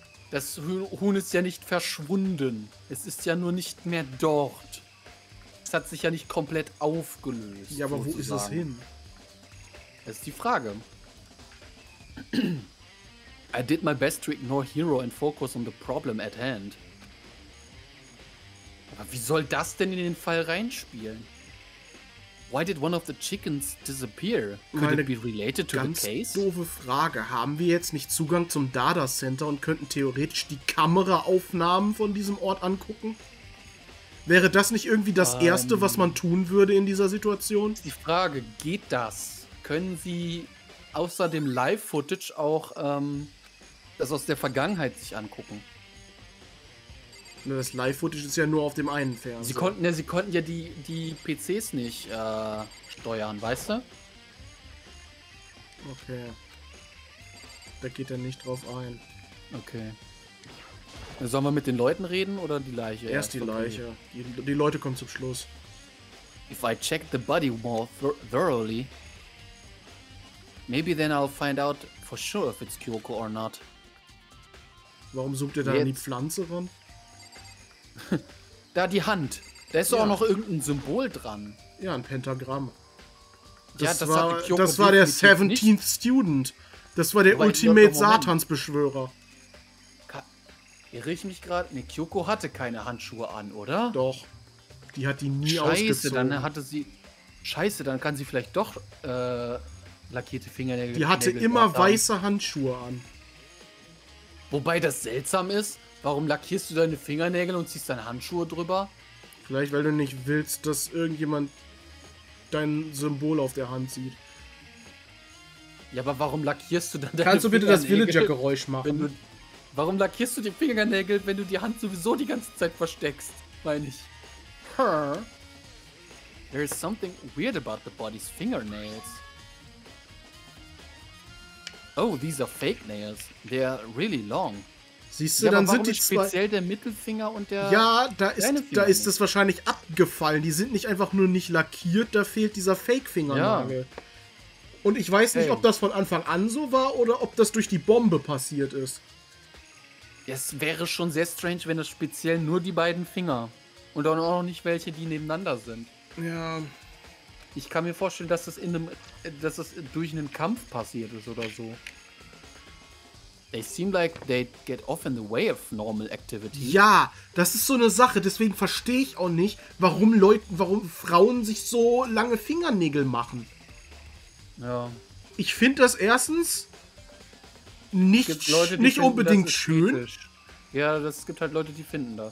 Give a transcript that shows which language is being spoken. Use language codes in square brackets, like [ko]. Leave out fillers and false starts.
[de] Das Huhn ist ja nicht verschwunden. Es ist ja nur nicht mehr dort. Es hat sich ja nicht komplett aufgelöst. Ja, aber wo ist es hin? Das ist die Frage. [en] I did my best to ignore Hero and focus on the problem at hand. [de] Aber wie soll das denn in den Fall reinspielen? [en] Why did one of the chickens disappear? Could [de] Meine [en] it be related to [de] ganz [en] the case? [de] Doofe Frage. Haben wir jetzt nicht Zugang zum Data Center und könnten theoretisch die Kameraaufnahmen von diesem Ort angucken? Wäre das nicht irgendwie das Erste, was man tun würde in dieser Situation? Die Frage, geht das? Können Sie außer dem Live-Footage auch das aus der Vergangenheit sich angucken? Das Live-Footage ist ja nur auf dem einen Fernseher. Sie konnten ja die PCs nicht steuern, weißt du? Okay. Da geht er nicht drauf ein. Okay. Sollen wir mit den Leuten reden oder die Leiche? Erst die Leiche. Die Leute kommen zum Schluss. [en] If I check the body more thoroughly, maybe then I'll find out for sure if it's Kyoko or not. [de] Warum sucht ihr da jetzt an die Pflanze ran? Da die Hand. Da ist doch auch noch irgendein Symbol dran. Ja, ein Pentagramm. Das war der 17th Student. Das war der Ultimate Satansbeschwörer. Irre ich mich gerade? Ne, Kyoko hatte keine Handschuhe an, oder? Doch. Die hat die nie ausgezogen. Scheiße, dann kann sie vielleicht doch lackierte Fingernägel. Die hatte immer weiße Handschuhe an. Wobei das seltsam ist. Warum lackierst du deine Fingernägel und ziehst deine Handschuhe drüber? Vielleicht, weil du nicht willst, dass irgendjemand dein Symbol auf der Hand sieht. Ja, aber warum lackierst du dann deine Fingernägel? Kannst du bitte das Villager-Geräusch machen? Warum lackierst du die Fingernägel, wenn du die Hand sowieso die ganze Zeit versteckst? Meine ich. [en] There is something weird about the body's fingernails. Oh, these are fake nails. They are really long. [de] Siehst du, ja, dann sind die zwei... speziell der Mittelfinger und der... Ja, da ist das wahrscheinlich abgefallen. Die sind nicht einfach nur nicht lackiert. Da fehlt dieser Fake-Fingernagel. Ja. Und ich weiß nicht, ob das von Anfang an so war oder ob das durch die Bombe passiert ist. Es wäre schon sehr strange, wenn das speziell nur die beiden Finger und dann auch noch nicht welche, die nebeneinander sind. Ja. Ich kann mir vorstellen, dass das in einem, dass das durch einen Kampf passiert ist oder so. [en] They seem like they get off in the way of normal activity. [de] Ja, das ist so eine Sache, deswegen verstehe ich auch nicht, warum Frauen sich so lange Fingernägel machen. Ja. Ich finde das erstens nicht unbedingt schön. Ja, es gibt halt Leute, die finden das.